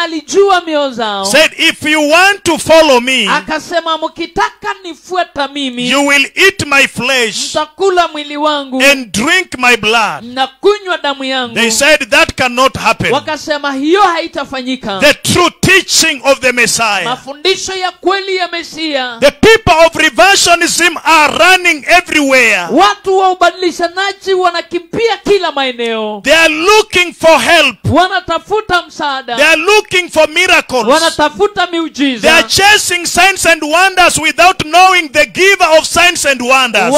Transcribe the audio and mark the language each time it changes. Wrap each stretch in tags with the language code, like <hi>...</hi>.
<sw>analijua mioyo zao.</sw> <en>Said, if you want to follow me,</en> <sw>akasema mkitaka nifuate mimi,</sw> <en>you will eat my flesh,</en> <sw>mtakula mwili wangu,</sw> <en>and drink my blood,</en> <sw>na kunywa damu yangu.</sw> <en>They said that cannot happen.</en> <sw>Wakasema hiyo haitafanyika.</sw> <en>The true teaching of the Messiah,</en> <sw>mafundisho ya kweli ya Mesia.</sw> <en>The people of reversionism are running everywhere.</en> <sw>Watu wa ubadilishanaji wanakimbia kila maeneo.</sw> <en>They are looking for help.</en> <sw>Wanatafuta msaada.</sw> <en>They are looking for miracles.</en> <sw>Wanatafuta miujiza.</sw> <en>They are chasing signs and wonders without knowing the giver of signs and wonders.</en>